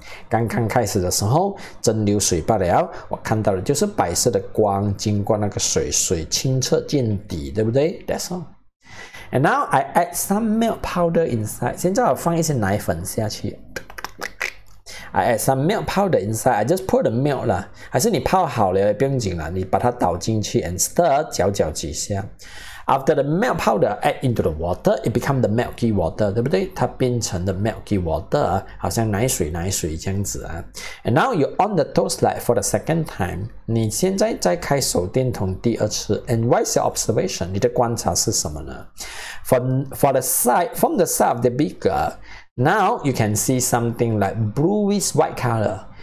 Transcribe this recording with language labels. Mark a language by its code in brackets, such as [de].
[zh] 刚刚开始的时候蒸馏水罢了我看到的就是白色的光经过那个水水清澈见底对不对 [en] That's all. And now I add some milk powder inside. [zh] 现在我放一些奶粉下去。 [en] I add some milk powder inside. I just pour the milk 啦。 [zh] 还是你泡好了也不用紧啦。你把它倒进去 [en] and stir, [zh] 搅搅几下。 [en] After the milk powder add into the water, it becomes the milky water, [zh] 对不对？它变成了 milky water, 好像奶水这样子啊。 [en] And now you on the toast light for the second time. [zh] 你现在再开手电筒第二次。 [en] And what's your observation? [zh] 你的观察是什么呢？ [en] From the side of the beaker, now you can see something like bluish white color.